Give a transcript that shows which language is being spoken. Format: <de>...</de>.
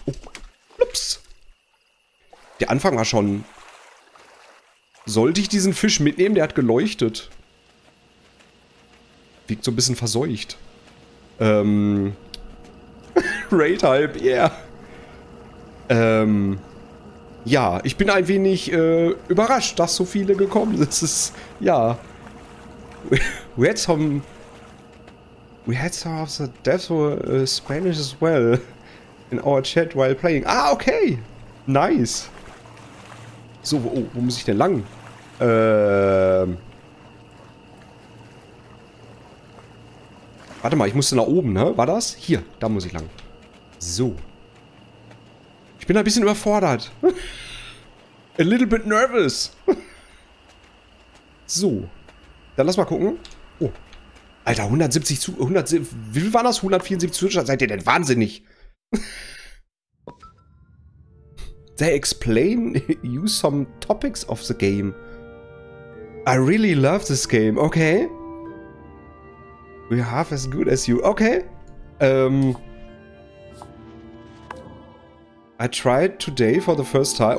<de>Oh, ups. Der Anfang war schon, sollte ich diesen Fisch mitnehmen? Der hat geleuchtet. Wiegt so ein bisschen verseucht.</de> <en>Raid Hype, yeah.</en> <de>Ja, ich bin ein wenig, überrascht, dass so viele gekommen sind. Das ist, ja.</de> <en>We had some of the devs were Spanish as well in our chat while playing. Ah, okay. Nice.</en> <de>So, oh, wo muss ich denn lang? Warte mal, ich musste nach oben, ne? War das? Hier, da muss ich lang. So. Ich bin ein bisschen überfordert.</de> <en>A little bit nervous.</en> <de>So. Dann lass mal gucken. Oh. Alter, 170 zu... 100, wie viel waren das? 174 Zuschauer? Seid ihr denn wahnsinnig?</de> <en>They explain you some topics of the game. I really love this game. Okay. We're half as good as you. Okay. I tried today for the first time.</en>